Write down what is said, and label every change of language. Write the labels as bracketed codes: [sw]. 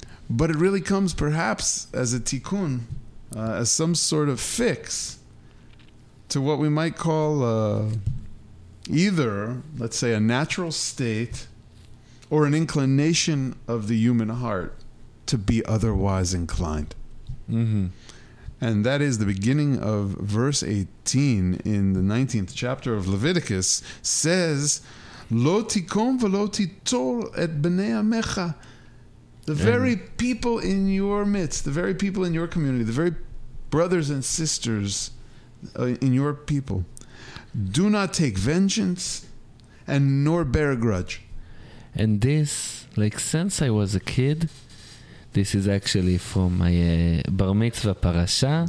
[en] But it really comes perhaps as a tikkun, as some sort of fix to what we might call either, let's say, a natural state or an inclination of the human heart to be otherwise inclined. Mm-hmm. And that is the beginning of verse 18 in the 19th chapter of Leviticus says, [he] לא תיקום ולא תיטול את בני עמך. [en] The very people in your midst, the very people in your community, the very brothers and sisters in your people. Do not take vengeance and nor bear a grudge. And this, like, since I was a kid, this is actually from my bar mitzvah parasha.